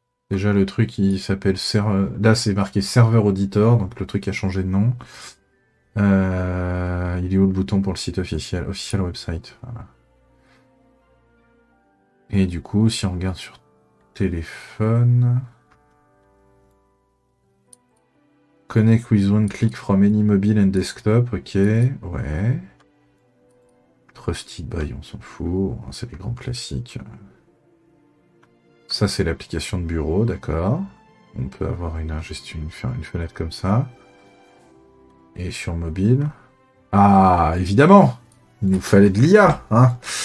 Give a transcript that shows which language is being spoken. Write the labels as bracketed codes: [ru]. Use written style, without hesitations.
[fr] Déjà le truc il s'appelle là c'est marqué serveur auditeur, donc le truc a changé de nom. Il est où le bouton pour le site officiel? [en] Official website. [fr] Voilà. Et du coup, si on regarde sur téléphone. [en] Connect with one click from any mobile and desktop. [fr] Ok, ouais. [en] Trusted by, [fr] on s'en fout. C'est les grands classiques. Ça, c'est l'application de bureau, d'accord. On peut avoir une fenêtre comme ça. Et sur mobile. Ah, évidemment! Il nous fallait de l'IA, hein!